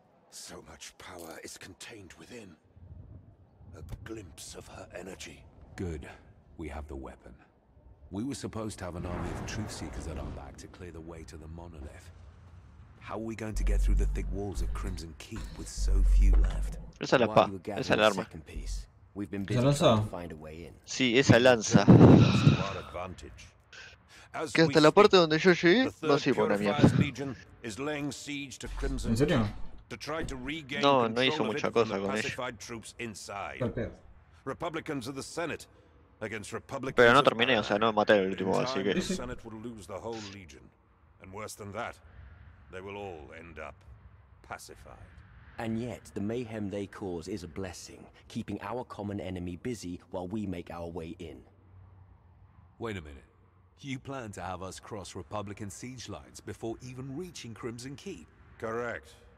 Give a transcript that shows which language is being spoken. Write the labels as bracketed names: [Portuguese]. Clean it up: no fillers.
[English] So much power is contained within. A glimpse of her energy. Good. We have the weapon. We were supposed to have an army of truth seekers at our back to clear the way to the monolith. How are we going to get through the thick walls of Crimson Keep with so few left? [Spanish] Esa es la espada, esa es el arma. [English] We've been busy trying to find a way in. [Spanish] Sí, esa lanza. Que hasta la parte donde yo llegué, no sirve una mierda. ¿En serio? No, no hizo mucha cosa con ello. [English] Republicans of the Senate against Republicans. [Spanish] Pero no terminé, o sea, no me maté el último, así que. [English] The Senate will lose the whole legion, and worse than that, they will all end up pacified. And yet, the mayhem they cause is a blessing, keeping our common enemy busy while we make our way in. Wait a minute. You plan to have us cross Republican siege lines before even reaching Crimson Keep? Correct.